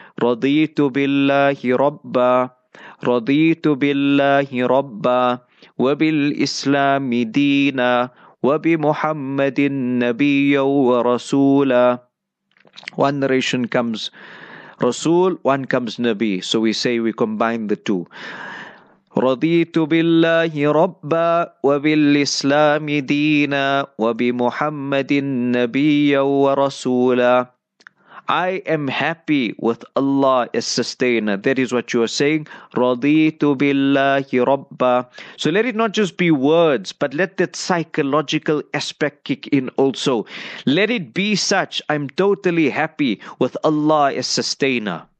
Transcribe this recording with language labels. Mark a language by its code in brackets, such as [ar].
[ar] رضيت بالله ربا رضيت بالله ربا وبالإسلام دينا وبمحمد نبيا ورسولا. [en] One narration comes رسول, one comes نبي. So we say, we combine the two. [ar] رضيت بالله ربا وبالإسلام دينا وبمحمد نبيا ورسولا. [en] I am happy with Allah as sustainer. That is what you are saying. [ar] رَضِيتُ بِاللَّهِ رَبَّا. [en] So let it not just be words, but let that psychological aspect kick in also. Let it be such. I'm totally happy with Allah as sustainer.